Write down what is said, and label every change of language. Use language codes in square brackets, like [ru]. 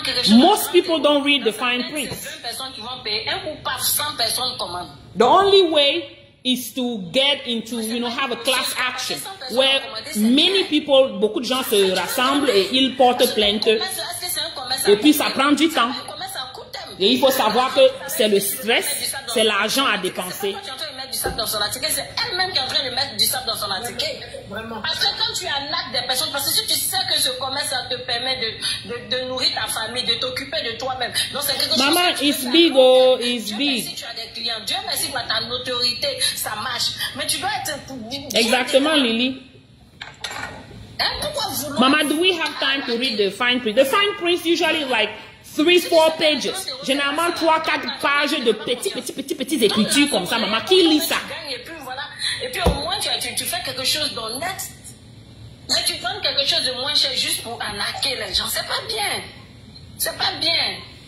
[en] Most people don't read the fine prints. [fr] C'est 20 personnes qui vont payer, 1 ou pas 100 personnes commandent. [en] The only way is to get into, you know, have a class action where many people, [fr] beaucoup de gens se rassemblent et ils portent plainte. Et puis ça prend du temps. Et il faut savoir que c'est le stress, c'est l'argent à dépenser. C'est pas toi qui es en train de mettre du sable dans son ticket, c'est elle-même qui est en train de mettre du sable dans son ticket. Vraiment. Parce que quand tu arnaques des personnes, parce que si tu sais que ce commerce, ça te permet de nourrir ta famille, de t'occuper de toi-même. Donc c'est quelque [en] chose. Maman, it's big, oh, it's big. [fr] Dieu merci, tu as des clients. Dieu merci pour ta notoriété, ça marche. Mais tu dois être. Exactement, Lily. Hein, pourquoi vouloir. [en] Maman, do we have time to read the fine print? The fine print usually like. 3-4 pages. [fr] Généralement, 3-4 pages de petits écritures comme ça. Maman, qui lit ça? Et puis, voilà. Et puis, au moins, tu fais quelque chose d'honnête. Mais tu prends quelque chose de moins cher juste pour arnaquer les gens. C'est pas bien. C'est pas bien.